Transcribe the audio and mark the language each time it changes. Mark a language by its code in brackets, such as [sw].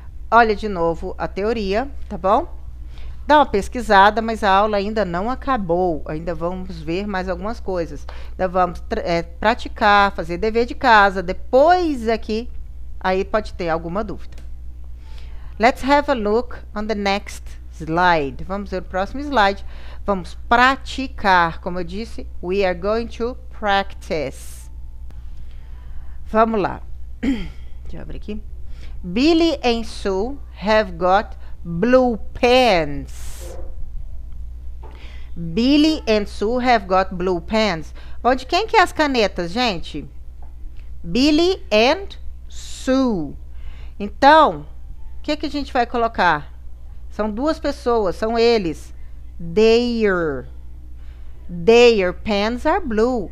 [pt] Olha de novo a teoria, tá bom? Dá uma pesquisada, mas a aula ainda não acabou. Ainda vamos ver mais algumas coisas. Ainda vamos praticar, fazer dever de casa, depois aqui... Aí pode ter alguma dúvida. [en] Let's have a look on the next slide. [pt] Vamos ver o próximo slide. Vamos praticar. Como eu disse, [en] we are going to practice. [pt] Vamos lá. Deixa eu abrir aqui. [en] Billy and Sue have got blue pants. Billy and Sue have got blue pants. [pt] Bom, de quem que é as canetas, gente? Billy and Sue. Então, o que a gente vai colocar? São duas pessoas, são eles. [en] Their pens are blue.